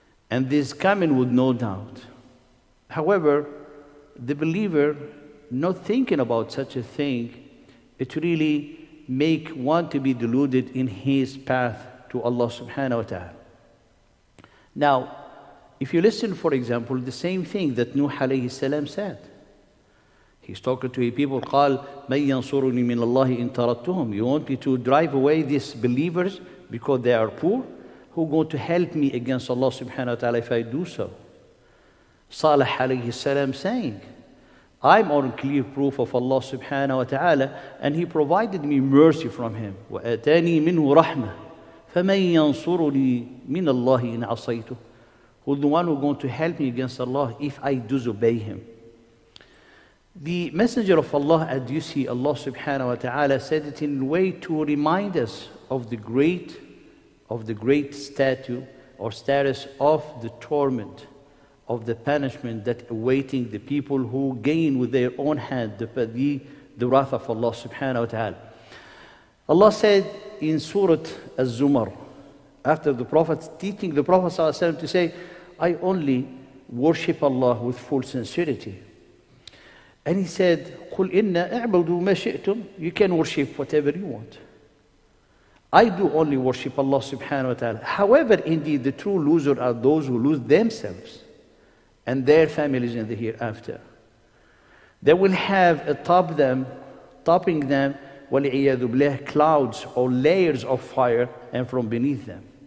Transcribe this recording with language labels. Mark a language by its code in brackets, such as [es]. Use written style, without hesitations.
[en] And this coming with no doubt. However, the believer, not thinking about such a thing, it really make one to be deluded in his path to Allah subhanahu wa ta'ala. Now, if you listen, for example, the same thing that Nuh alayhi salam said. He's talking to his people, [ar] قال مَنْ يَنْصُرُنِي مِنَ اللَّهِ إِنْ تَرَدْتُهُمْ. [en] You want me to drive away these believers because they are poor? Who going to help me against Allah subhanahu wa ta'ala if I do so? Salih alayhi salam saying, I'm on clear proof of Allah subhanahu wa ta'ala, and he provided me mercy from him. [ar] وَأَتَانِي مِنْهُ رَحْمَةً. فَمَنْ يَنْصُرُنِي مِنَ اللَّهِ إِنْ عَصَيْتُهُ. [en] Who the one who is going to help me against Allah if I disobey him? The Messenger of Allah, as you see, Allah subhanahu wa ta'ala said it in a way to remind us of the great statue or status of the torment, of the punishment that awaiting the people who gain with their own hand the wrath of Allah subhanahu wa ta'ala. Allah said in Surah Az-Zumar, after the Prophet teaching the Prophet sallallahu alaihi wasallam to say, I only worship Allah with full sincerity. And he said, [ar] قُلْ إِنَّا أَعْبَدُوا مَا شِئْتُمْ. [en] You can worship whatever you want. I do only worship Allah subhanahu wa ta'ala. However, indeed, the true losers are those who lose themselves and their families in the hereafter. They will have atop them, topping them, [ar] وَلِعِيَذُ بِلَهِ [en] clouds or layers of fire and from beneath them.